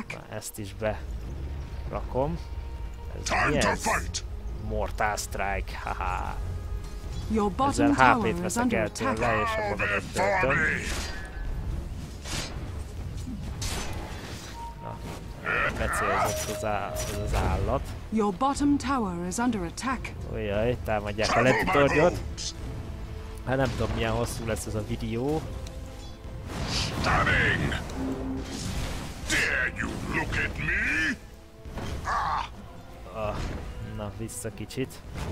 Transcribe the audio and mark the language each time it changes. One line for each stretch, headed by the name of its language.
Hungarian: Ezt is be rakom. Ez mi ez? Mortal Strike, haha. Ezzel HP-t veszek el tőle, és a vonatot töltöm. Na, becélzett az az állat.
English: Your bottom tower is under attack.
Hungarian: Ujjaj, támadják a letitorgyot. Hát nem tudom, milyen hosszú lesz ez a videó.
English: Stunning! Dare you look at me?
Hungarian: Na, vissza kicsit.